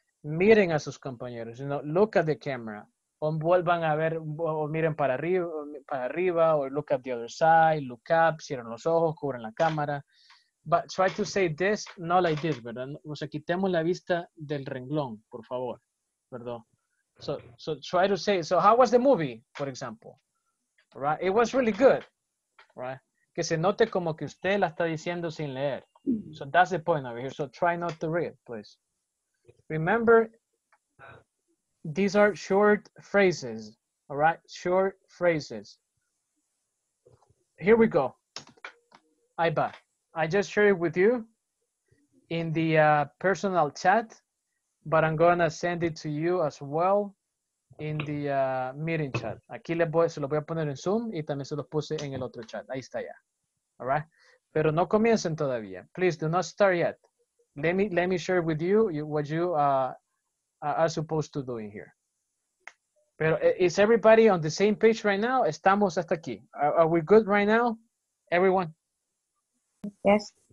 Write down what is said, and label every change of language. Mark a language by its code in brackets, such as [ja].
[es] Miren a sus compañeros, [en] you know, look at the camera. [es] O vuelvan a ver, o miren para arriba, [en] or look at the other side, look up, [es] cierren los ojos, cubren la cámara. [en] But try to say this, not like this, [es] ¿verdad? O sea, quitemos la vista del renglón, por favor. Perdón. [en] So try to say, so how was the movie, for example? Right? It was really good, right? [es] Que se note como que usted la está diciendo sin leer. [en] So that's the point over here. So try not to read, please. Remember, these are short phrases, all right? Short phrases. Here we go. [es] Iba, [en] I just shared it with you in the personal chat, but I'm going to send it to you as well in the meeting chat. [es] Aquí se lo voy a poner en Zoom y también se lo puse en el otro chat. Ahí está ya, [en] all right? [es] Pero no comiencen todavía. [en] Please do not start yet. Let me share with you what you are supposed to do in here. [es] Pero [en] is everybody on the same page right now? [es] Estamos hasta aquí. [en] Are we good right now, everyone? Yes.